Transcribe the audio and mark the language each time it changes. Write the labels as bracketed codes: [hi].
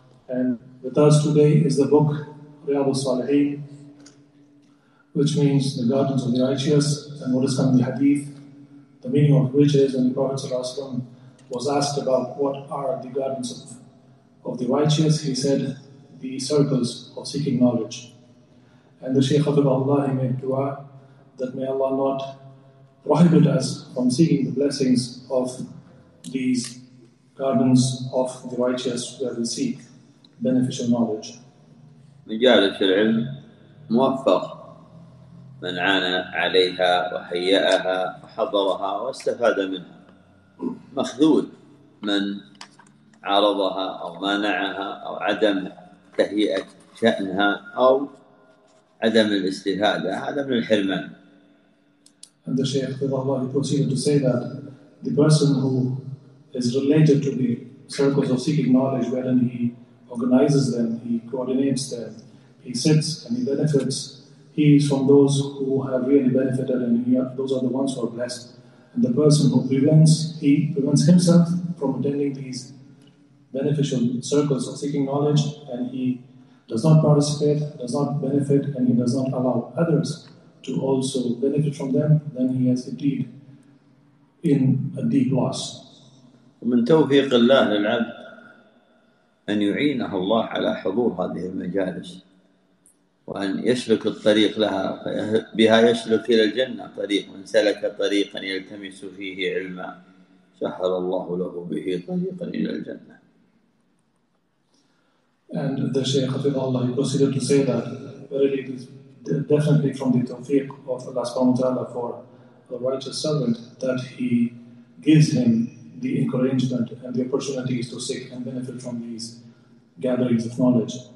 [en] And with us today is the book Riyad al-Salihin, which means the gardens of the righteous, and what is coming in the hadith, the meaning of which is, when the Prophet was asked about what are the gardens of the righteous, he said, the circles of seeking knowledge. And the Shaykh Habibullah, he made dua that may Allah not prohibit us from seeking the blessings of these gardens of the righteous where we seek beneficial knowledge. [ar] مجالس العلم موفق من عانى عليها وهيأها وحضرها واستفاد منها، مخذول من عرضها أو مانعها أو عدم تهيئة شأنها أو عدم الاستفادة، هذا من الحرمان. [en] And the Shaykh of Allah, he proceeded to say that the person who is related to the circles of seeking knowledge, wherein he organizes them, he coordinates them, he sits and he benefits, he is from those who have really benefited, and those are the ones who are blessed. And the person who prevents himself from attending these beneficial circles of seeking knowledge, and he does not participate, does not benefit, and he does not allow others to also benefit from them, then he has indeed in a deep loss. [ar] ومن توفيق الله للعبد أن يعينه الله على حضور هذه المجالس وأن يسلك الطريق لها، بها يسلك إلى الجنة طريق، من سلك طريقا يلتمس فيه علما سهل الله له به طريقا إلى الجنة. [en] And the Shaykh of Allah, he proceeded to say that really it is definitely from the tawfiq of Allah subhanahu wa ta'ala for a righteous servant that he gives him the encouragement and the opportunities to seek and benefit from these gatherings of knowledge.